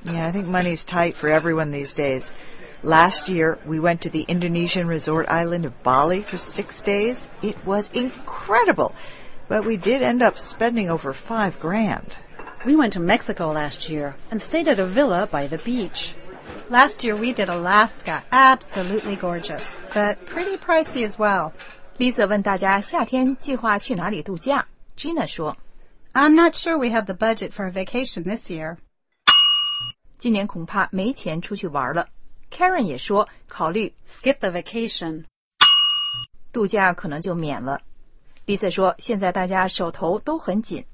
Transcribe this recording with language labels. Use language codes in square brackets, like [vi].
[en] Yeah, I think money's tight for everyone these days. Last year, we went to the Indonesian resort island of Bali for 6 days. It was incredible, but we did end up spending over $5,000. We went to Mexico last year and stayed at a villa by the beach. Last year, we did Alaska. Absolutely gorgeous, but pretty pricey as well. [zh] Lisa 问大家夏天计划去哪里度假。 Gina 说 [en] I'm not sure we have the budget for a vacation this year. [zh] 今年恐怕没钱出去玩了。 Karen 也说考虑 [en] skip the vacation. [zh] 度假可能就免了。 Lisa 说现在大家手头都很紧。